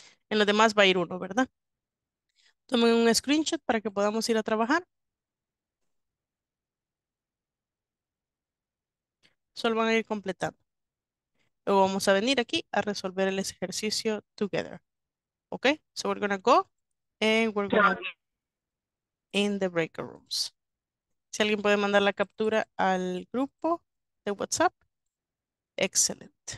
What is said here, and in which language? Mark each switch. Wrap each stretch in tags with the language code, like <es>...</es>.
<es>En los demás va a ir uno, ¿verdad? Tomen un screenshot para que podamos ir a trabajar. Solo van a ir completando. Luego vamos a venir aquí a resolver el ejercicio</es> <en>together.</en> <es>¿Ok?</es> <en>So we're gonna go and we're gonna in the breakout rooms.</en> <es>Si alguien puede mandar la captura al grupo de WhatsApp. Excelente.</es>